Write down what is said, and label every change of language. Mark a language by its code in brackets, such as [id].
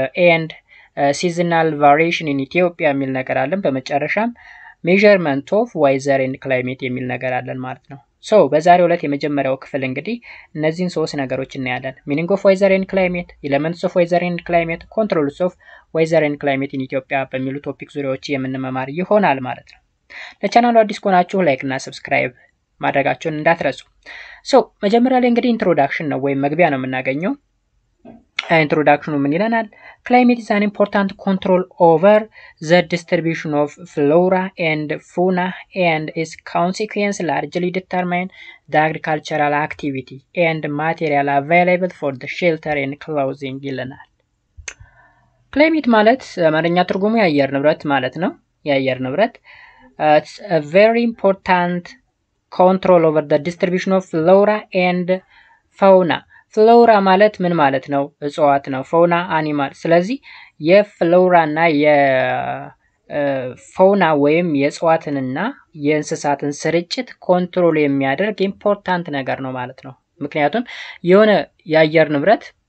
[en] and seasonal variation in Ethiopia [am] የሚል ነገር አለን በመጨረሻም [en] measurement of weather and climate [am] የሚል ነገር አለን ማለት ነው። So, በዛሬው ዕለት የመጀመሪያው ክፍል እንግዲህ እነዚህን ሶስት ነገሮች እናያለን። [en] Meaning of weather and climate, elements of weather and climate, controls of weather and climate in Ethiopia [am] በሚሉ ቶፒክ ዙሪያዎች የምንመማር ይሆናል ማለት ነው። ለቻናሉ አዲስ ከሆናችሁ ላይክ እና ሰብስክራይብ ማድረጋችሁን እንዳትረሱ። So, መጀመሪያ ላይ እንግዲህ introduction ነው ወይም መግቢያ ነው የምናገኘው። Introduction ምን ይለናል? [en] Climate is an important control over the distribution of flora and fauna and its consequence largely determine the agricultural activity and material available for the shelter and clothing ይለናል። Climate [am] ማለት አማርኛ ትርጉሙ የአየር ንብረት [en] ማለት ነው። የአየር ንብረት it's a very important control over the distribution of flora and fauna. [am] ፍሎራ ማለት ምን ማለት ነው? እጽዋት ነው። ፎና አኒማል። ስለዚህ የፍሎራና የፎና ወይም የእጽዋትንና የእንስሳትን ስርጭት ኮንትሮል የሚያደርግ ኢምፖርታንት ነገር ነው ማለት ነው። ምክንያቱም የሆነ የአየር ንብረት